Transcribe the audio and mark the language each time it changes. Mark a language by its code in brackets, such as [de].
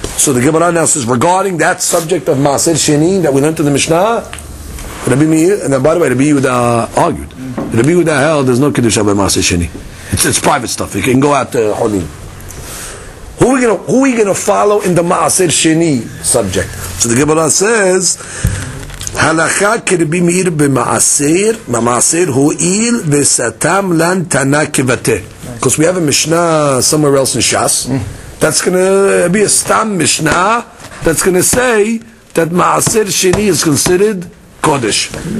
[en] So the Gemara now says, regarding that subject of Maaser Sheni that we learned in the Mishnah, Rabbi Meir, and by the way, Rabbi Yehuda argued. Rabbi Yehuda held, there's no Kiddush by Maaser Sheni. It's private stuff. You can go out to Holim. Who are we gonna follow in the Maaser Sheni subject? So the Gemara says, [he] הלכה כרבי מאיר במעשר, במעשר הועיל וסתם לן תנה כבטא. [en] Because we have a Mishnah somewhere else in Shas. That's going to be a stam Mishnah that's going to say that מעשר שני is considered קודש.